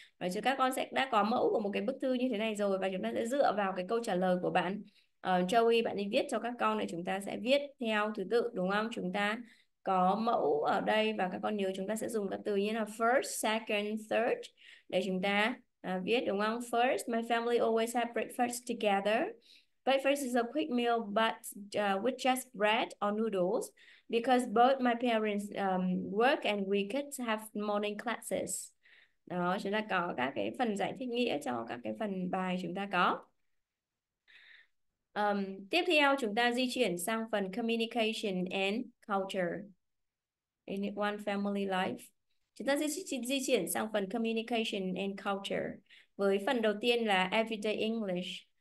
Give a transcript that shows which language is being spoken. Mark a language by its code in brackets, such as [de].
[vi] Và chứ các con sẽ đã có mẫu của một cái bức thư như thế này rồi, và chúng ta sẽ dựa vào cái câu trả lời của bạn Joey, bạn đi viết cho các con này, chúng ta sẽ viết theo thứ tự, đúng không? Chúng ta có mẫu ở đây, và các con nhớ chúng ta sẽ dùng các từ như là first, second, third để chúng ta viết, đúng không? [en] First, my family always have breakfast together. Breakfast is a quick meal, but with just bread or noodles, because both my parents work and we kids have morning classes. [vi] Đó, chúng ta có các cái phần giải thích nghĩa cho các cái phần bài chúng ta có. Tiếp theo chúng ta di chuyển sang phần communication and culture in one family life. Chúng ta di chuyển sang phần communication and culture với phần đầu tiên là everyday English.